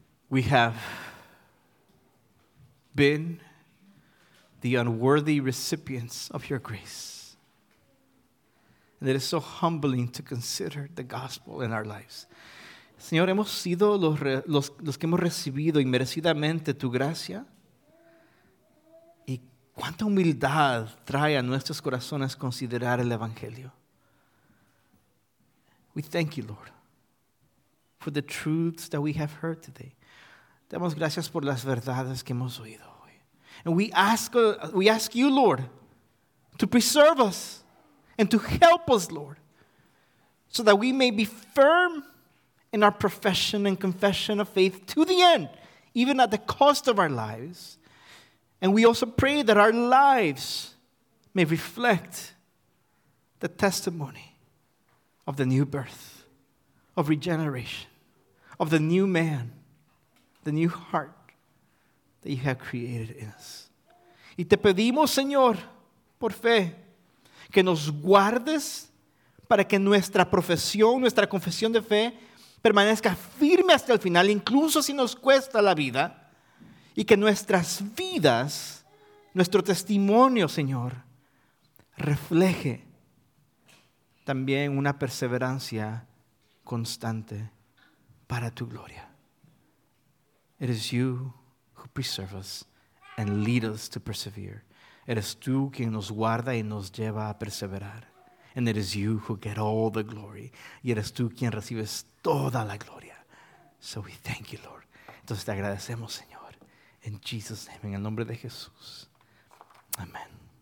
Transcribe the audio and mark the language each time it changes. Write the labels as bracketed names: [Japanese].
[English] We have been the unworthy recipients of your grace. And it is so humbling to consider the gospel in our lives. [Spanish] Señor, hemos sido los que hemos recibido inmerecidamente tu gracia. Y cuánta humildad trae a nuestros corazones considerar el evangelio. [English] We thank you, Lord, for the truths that we have heard today. [Spanish] Damos gracias por las verdades que hemos oído hoy. [English] And we ask you, Lord, to preserve us and to help us, Lord, so that we may be firm in our profession and confession of faith to the end, even at the cost of our lives. And we also pray that our lives may reflect the testimony of the new birth, of regeneration, of the new man, the new heart that you have created in us. [Spanish] Y te pedimos, Señor, por fe, que nos guardes para que nuestra profesión, nuestra confesión de fe, permanezca firme hasta el final, incluso si nos cuesta la vida, y que nuestras vidas, nuestro testimonio, Señor, refleje también una perseverancia constante para tu gloria. [English] It is you who preserve us and lead us to persevere. [Spanish] Eres tú quien nos guarda y nos lleva a perseverar. [English] And it is you who get all the glory. [Spanish] Y eres tú quien recibes toda la gloria. [English] So we thank you, Lord. [Spanish] Entonces te agradecemos, Señor. [English] In Jesus' name, [Spanish] en el nombre de Jesús. Amén.